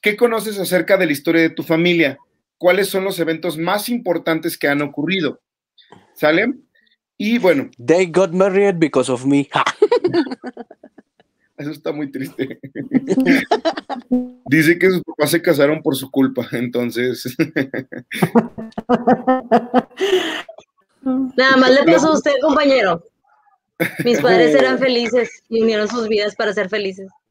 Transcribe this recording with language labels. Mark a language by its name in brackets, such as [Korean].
[Spanish] ¿Qué conoces acerca de la historia de tu familia? ¿Cuáles son los eventos más importantes que han ocurrido? ¿Sale? Y bueno. [English] They got married because of me. [Spanish] Eso está muy triste. Dice que sus papás se casaron por su culpa, entonces. Nada más le pasó a usted, compañero. Mis padres eran felices y unieron sus vidas para ser felices.